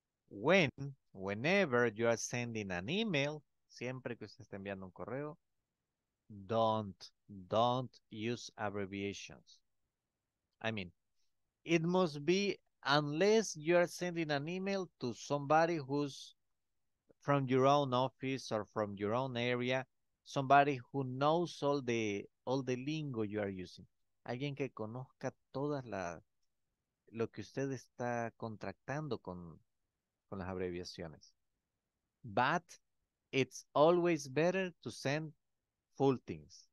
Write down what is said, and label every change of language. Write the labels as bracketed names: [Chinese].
[English] Whenever you are sending an email, [Spanish] siempre que usted esté enviando un correo, [English] don't use abbreviations. I mean, it must be unless you are sending an email to somebody who's from your own office or from your own area, somebody who knows all the lingo you are using. [Spanish] Alguien que conozca todas lo que usted está contractando con las abreviaciones. [English] But it's always better to send full things.